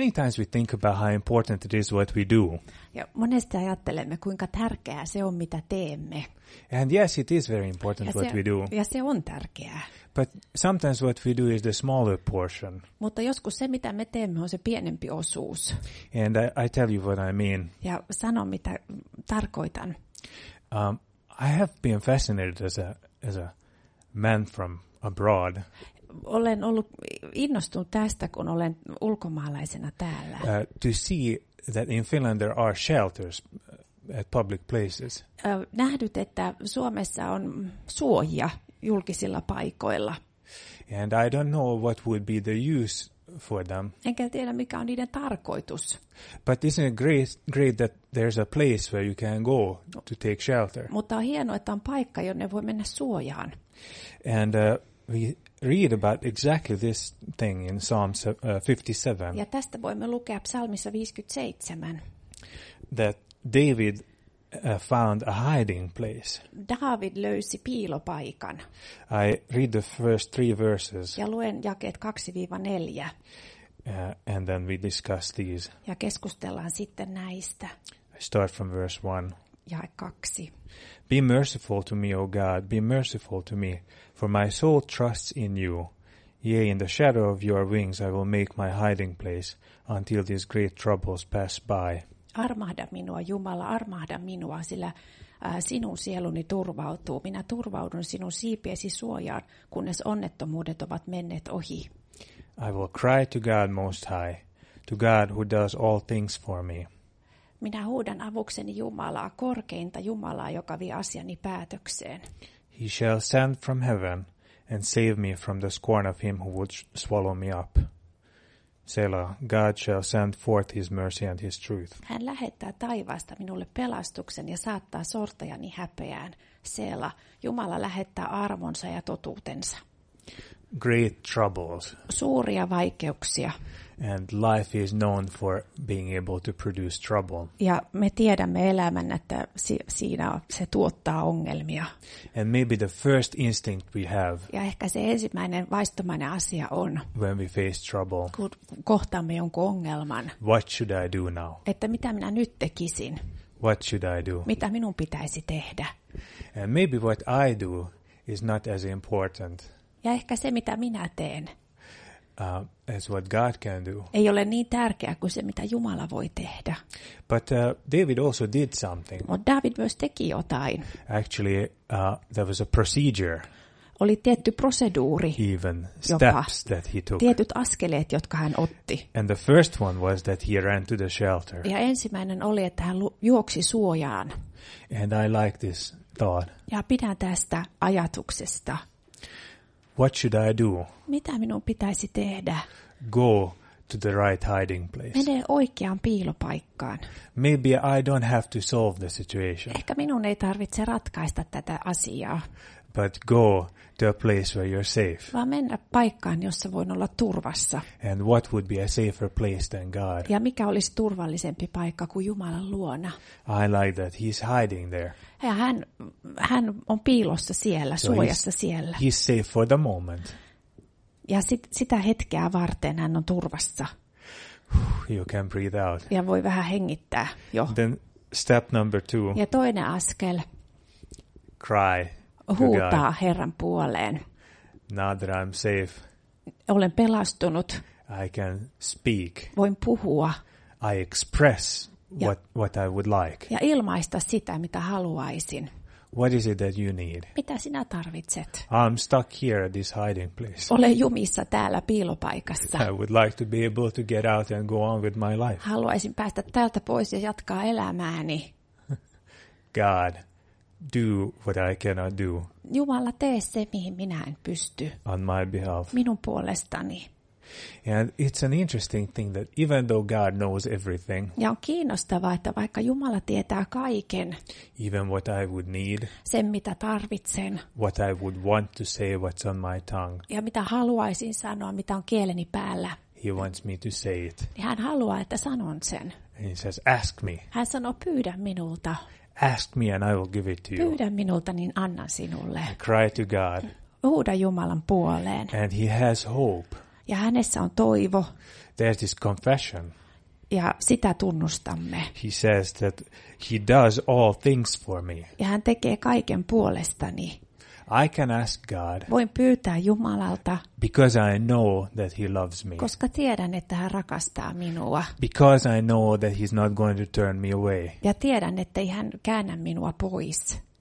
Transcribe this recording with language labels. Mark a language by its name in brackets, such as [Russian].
[English] Many times we think about how important it is what we do. [Finnish] Ja monesti ajattelemme, kuinka tärkeää se on, mitä teemme. [English] And yes, it is very important what we do. [Finnish] Ja se on tärkeää. [English] But sometimes what we do is the smaller portion. [Finnish] Mutta joskus se, mitä me teemme, on se pienempi osuus. [English] And I tell you what I mean. [Finnish] Ja sanon, mitä tarkoitan. [English] I have been fascinated as a man from abroad. [Finnish] Olen ollut innostunut tästä, kun olen ulkomaalaisena täällä. [English] To see that in Finland there are shelters at public places. [Finnish] Nähdyt, että Suomessa on suojia julkisilla paikoilla. [English] And I don't know what would be the use for them. [Finnish] Enkä tiedä, mikä on niiden tarkoitus. [English] But isn't it great that there's a place where you can go to take shelter? [Finnish] Mutta on hienoa, että on paikka, jonne voi mennä suojaan. [English] And we read about exactly this thing in Psalm 57. [Finnish] Ja tästä voimme lukea psalmissa 57. [English] That David found a hiding place. [Finnish] David löysi piilopaikan. [English] I read the first three verses. [Finnish] Ja luen jakeet 2-4. [English] And then we discuss these. [Finnish] Ja keskustellaan sitten näistä. [English] I start from verse 1. [Finnish] Jae 2. [English] Be merciful to me, O God, be merciful to me, for my soul trusts in you. Yea, in the shadow of your wings I will make my hiding place, until these great troubles pass by. [Finnish] Armahda minua, Jumala, armahda minua, sillä sinun sieluni turvautuu. Minä turvaudun sinun siipiesi suojaan, kunnes onnettomuudet ovat menneet ohi. [English] I will cry to God Most High, to God who does all things for me. [Finnish] Minä huudan avukseni Jumalaa, korkeinta Jumalaa, joka vie asiani päätökseen. [English] He shall send from heaven and save me from the scorn of him who would swallow me up. Selah, God shall send forth his mercy and his truth. [Finnish] Hän lähettää taivaasta minulle pelastuksen ja saattaa sortajani häpeään. Selah, Jumala lähettää armonsa ja totuutensa. [English] Great troubles. [Finnish] Suuria vaikeuksia. [English] And life is known for being able to produce trouble. [Finnish] Ja me tiedämme elämän, että siinä se tuottaa ongelmia. [English] And maybe the first instinct we have. [Finnish] Ja ehkä se ensimmäinen vaistomainen asia on. [English] When we face trouble. [Finnish] Kun kohtaamme jonkun ongelman. [English] What should I do now? [Finnish] Että mitä minä nyt tekisin? [English] What should I do? [Finnish] Mitä minun pitäisi tehdä? [English] And maybe what I do is not as important. [Finnish] Ja ehkä se, mitä minä teen, [English] as what God can do. [Finnish] Ei ole niin tärkeää kuin se, mitä Jumala voi tehdä. [English] But David also did something. [Finnish] Mutta David myös teki jotain. [English] Actually, there was a procedure. [Finnish] Oli tietty proseduuri. [English] Even steps that he took. [Finnish] Tietyt askeleet, jotka hän otti. [English] And the first one was that he ran to the shelter. [Finnish] Ja ensimmäinen oli, että hän juoksi suojaan. [English] And I like this thought. [Finnish] Ja pidän tästä ajatuksesta. [English] What should I do? [Finnish] Mitä minun pitäisi tehdä? [English] Go to the right hiding place. [Finnish] Mene oikeaan piilopaikkaan. [English] Maybe I don't have to solve the situation. [Finnish] Ehkä minun ei tarvitse ratkaista tätä asiaa. [English] But go to a place where you're safe. [Finnish] Vaan mennä paikkaan, jossa voin olla turvassa. [English] And what would be a safer place than God? [Finnish] Ja mikä olisi turvallisempi paikka kuin Jumalan luona? [English] I like that he's hiding there. [Finnish] Ja hän on piilossa siellä, [English] so [Finnish] suojassa [English] he's, [Finnish] siellä. [English] He's safe for the moment. [Finnish] Ja sitä hetkeä varten hän on turvassa. [English] You can breathe out. [Finnish] Ja voi vähän hengittää jo. [English] Then step number two. [Finnish] Ja toinen askel. [English] Cry. [Finnish] Huutaa Herran puoleen. [English] Now that I'm safe. [Finnish] Olen pelastunut. [English] I can speak. [Finnish] Voin puhua. [English] I express what I would like. [Finnish] Ja ilmaista sitä, mitä haluaisin. [English] What is it that you need? [Finnish] Mitä sinä tarvitset? [English] I'm stuck here at this hiding place. [Finnish] Olen jumissa täällä piilopaikassa. [English] I would like to be able to get out and go on with my life. [Finnish] Haluaisin päästä täältä pois ja jatkaa elämääni. [English] God, do what I cannot do. [Finnish] Jumala, tee se, mihin minä en pysty. [English] On my behalf. [Finnish] Minun puolestani. [English] And it's an interesting thing that even though God knows everything. [Finnish] Ja on kiinnostavaa, että vaikka Jumala tietää kaiken. [English] Even what I would need. [Finnish] Sen mitä tarvitsen. [English] What I would want to say, what's on my tongue. [Finnish] Ja mitä haluaisin sanoa, mitä on kieleni päällä. [English] He wants me to say it. [Finnish] Hän haluaa, että sanon sen. [English] And he says, ask me. [Finnish] Hän sanoo, pyydä minulta. [English] Ask me and I will give it to you. [Finnish] Pyydä minulta, niin annan sinulle. [English] I cry to God. [Finnish] Huuda Jumalan puoleen. [English] And he has hope. [Finnish] Ja hänessä on toivo. [English] There's this confession. [Finnish] Ja sitä tunnustamme. [English] He says that he does all things for me. [Finnish] Ja hän tekee kaiken puolestani. [English] I can ask God. [Finnish] Voin pyytää Jumalalta. [English] Because I know that he loves me. [Finnish] Koska tiedän, että hän rakastaa minua. [English] Because I know that he's not going to turn me away. [Finnish] Ja tiedän, ettei hän käännä minua pois.